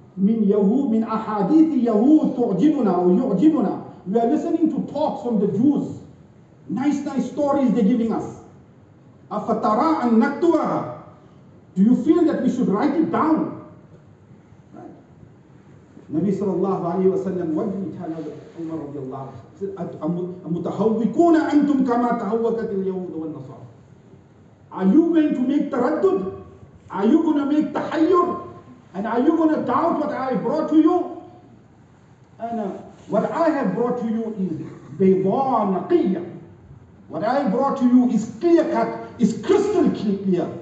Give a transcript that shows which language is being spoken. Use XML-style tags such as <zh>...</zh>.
<ar>من يهود من أحاديث يهود تعجبنا أو يعجبنا.</ar> <en>We are listening to talks from the Jews. Nice stories they're giving us.</en> <ar>أفترى أن نكتبها.</ar> <en>Do you feel that we should write it down? Nabi sallallahu alayhi wa sallam, what did he tell Umar radiallahu alayhi wa sallam? He said,</en> <ar>أَمُتَحَوِّكُونَ أَنْتُمْ كَمَا تَحَوَّكَتِ الْيَهُودُ وَالنَّصَارِ.</ar> <en>Are you going to make taraddud? Are you going to make tahayyur? And are you going to doubt what I brought to you? And what I have brought to you is</en> <ar>بَيْضَاءَ نَقِيَّ.</ar> <en>What I brought to you is clear cut, is crystal clear.</en>